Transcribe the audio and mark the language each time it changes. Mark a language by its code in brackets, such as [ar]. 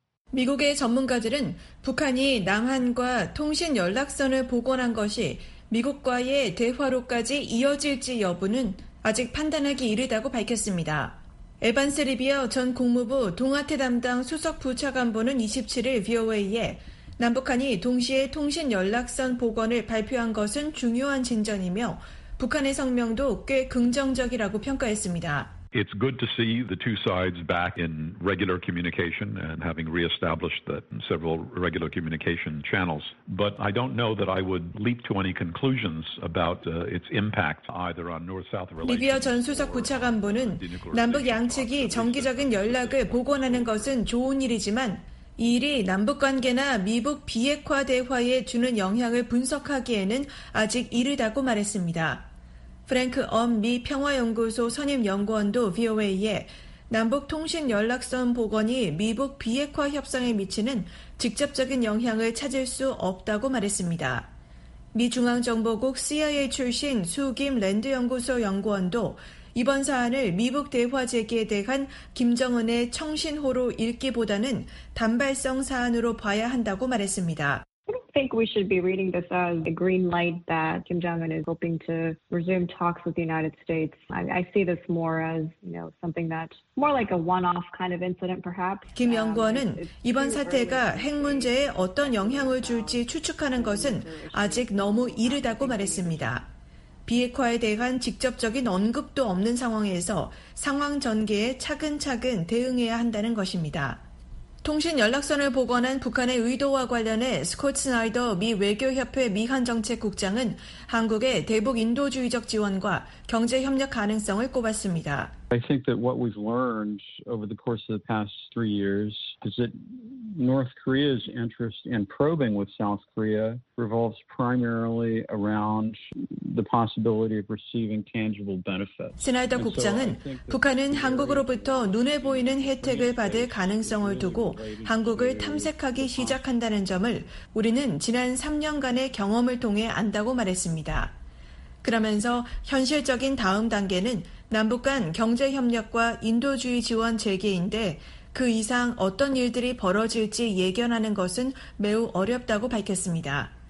[ko] 미국의 전문가들은 북한이 남한과 통신 연락선을 복원한 것이 미국과의 대화로까지 이어질지 여부는 아직 판단하기 이르다고 밝혔습니다. 에반스 리비어 전 국무부 동아태 담당 수석 부차관보는 27일 VOA에 남북한이 동시에 통신 연락선 복원을 발표한 것은 중요한 진전이며 북한의 성명도 꽤 긍정적이라고 평가했습니다. [en] It's good to see the two sides back in regular communication and having re-established the several regular communication channels. But I don't know that I would leap to any conclusions about its impact either on North-South relations. [ko] 리비아 전 수석 부차관보는 남북 양측이 정기적인 연락을 복원하는 것은 좋은 일이지만 이 일이 남북 관계나 미북 비핵화 대화에 주는 영향을 분석하기에는 아직 이르다고 말했습니다. 프랭크 엄 미 평화연구소 선임연구원도 VOA에 남북 통신 연락선 복원이 미북 비핵화 협상에 미치는 직접적인 영향을 찾을 수 없다고 말했습니다. 미중앙정보국 CIA 출신 수 김 랜드연구소 연구원도 이번 사안을 미북 대화 재개에 대한 김정은의 청신호로 읽기보다는 단발성 사안으로 봐야 한다고 말했습니다. [en] think we should be reading this as a green light that Kim Jong-un is hoping to resume talks with the United States. I see this more as, you know, something that more like a one-off kind of incident, perhaps. [ko] 김 연구원은 이번 사태가 핵 문제에 어떤 영향을 줄지 추측하는 것은 아직 너무 이르다고 말했습니다. 비핵화에 대한 직접적인 언급도 없는 상황에서 상황 전개에 차근차근 대응해야 한다는 것입니다. 통신 연락선을 복원한 북한의 의도와 관련해 스콧 스나이더 미 외교협회 미한정책국장은 한국의 대북 인도주의적 지원과 경제협력 가능성을 꼽았습니다. [en] I think that what we've learned over the course of the past three years is that North Korea's interest in probing with South Korea revolves primarily around the possibility of receiving tangible benefits. [ko] 스나이더 국장은 북한은 한국으로부터 눈에 보이는 혜택을 받을 가능성을 두고 한국을 탐색하기 시작한다는 점을 우리는 지난 3년간의 경험을 통해 안다고 말했습니다. 그러면서 현실적인 다음 단계는 남북 간 경제협력과 인도주의 지원 재개인데 그 이상 어떤 일들이 벌어질지 예견하는 것은 매우 어렵다고 밝혔습니다.